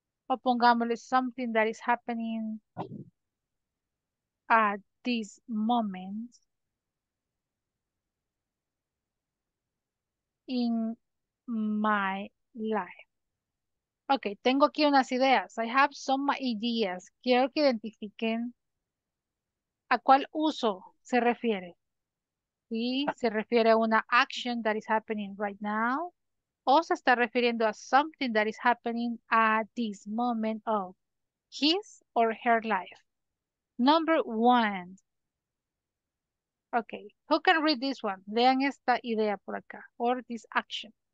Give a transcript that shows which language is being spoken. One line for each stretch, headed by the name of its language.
Spanish: O pongámosle
English: something that is happening at this moment in my life.
Spanish: Ok, tengo aquí unas ideas.
English: I have some ideas.
Spanish: Quiero que identifiquen a cuál uso se refiere. ¿Sí? ¿Se refiere a una
English: action that is happening right now?
Spanish: ¿O se está refiriendo a
English: something that is happening at this moment of his or her life? Number one. Ok, who can read this one?
Spanish: Lean esta idea por acá.
English: Or this action.